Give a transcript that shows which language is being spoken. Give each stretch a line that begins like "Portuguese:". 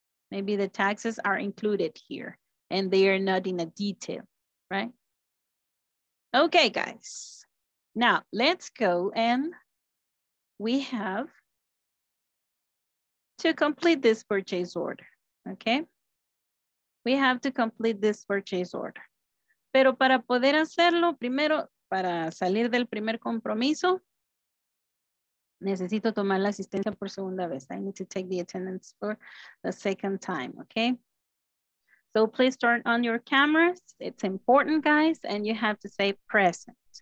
English: Maybe the taxes are included here and they are not in a detail, right? Okay, guys. Now, let's go and we have to complete this purchase order, okay? We have to complete this purchase order.
Spanish: Pero para poder hacerlo, primero, para salir del primer compromiso, necesito tomar la asistencia por segunda vez.
English: I need to take the attendance for the second time, okay? So please turn on your cameras. It's important, guys, and you have to say present.